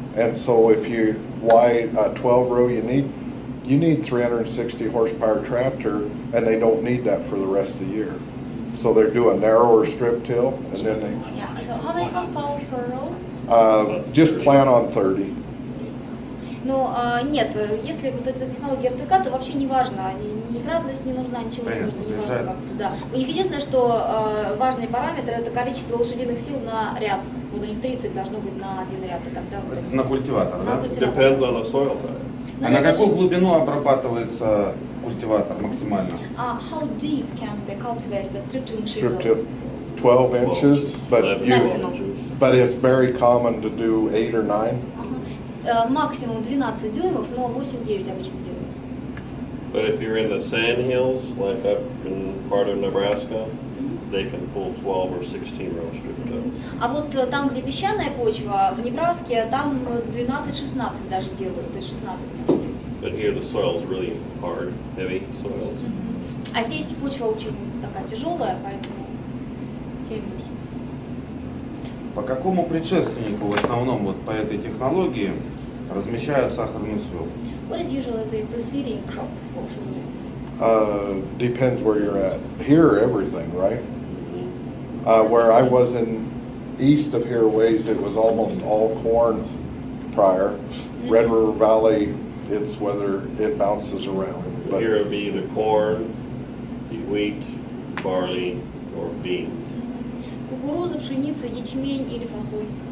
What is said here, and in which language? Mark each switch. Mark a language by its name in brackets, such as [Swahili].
[English] And so if you, why 12 row, you need 360 horsepower tractor, and they don't need that for the rest of the year. So they do a narrower strip till, and then they. Yeah, so how many horsepower per row? Just plan on 30. [Russian] Ну, нет, если вот эта технология РТК, то вообще не важно, ни кратность не нужна, ничего не нужно, не важно как-то, да. У них единственное, что важный параметр – это количество лошадиных сил на ряд. Вот у них 30 должно быть на один ряд, и тогда вот… На культиватор, да? [English] Depends on the soil type. [Russian] А на какую глубину обрабатывается культиватор максимально? [English] How deep can they cultivate the strip-till machine? Strip-till, 12 inches, but but it's very common to do 8 or 9. [Russian] Максимум 12 дюймов, но 8-9 обычно делают. [English] But if you're in the sand hills, like up in part of Nebraska, they can pull 12 or 16 row strip tills. [Russian] А вот там, где песчаная почва, в Небраске, там 12-16 даже делают, то есть 16. [English] But here the soil is really hard, heavy soil. [Russian] А здесь почва очень такая тяжелая, поэтому 7-8. По какому предшественнику в основном вот по этой технологии размещают сахарный свёкол? [English] What is usually the preceding crop for sugar beets? Depends where you're at. Here, everything, right? Where I was in east of here ways, it was almost all corn prior. Red River Valley, it's whether it bounces around. But here would be either corn, wheat, barley, or beans. [Russian] Кукуруза, пшеница, ячмень или фасоль.